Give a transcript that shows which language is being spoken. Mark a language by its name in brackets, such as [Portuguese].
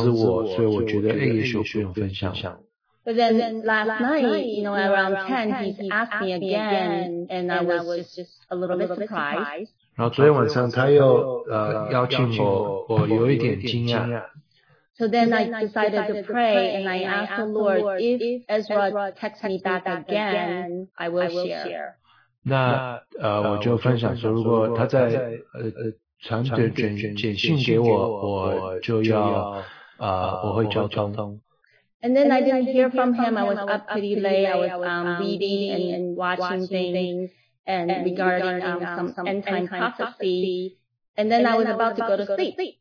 [Chinese] 所以这个Ezra弟兄没有通知我，所以我觉得也许我不用分享。 [English] But then last night, you know, around 10, he's asked me again, and I was just a little bit surprised. [Chinese] 然后昨天晚上他又邀请我，我有一点惊讶。 [English] So then I decided to pray, and I asked the Lord, if Ezra texts me back again, I will share. [Chinese] 那我就分享说，如果他在传简讯给我，我会交通。 [English] And then I didn't hear from him. I was up pretty late. I was reading and watching things and regarding some end time prophecy. And then I was about to go to sleep.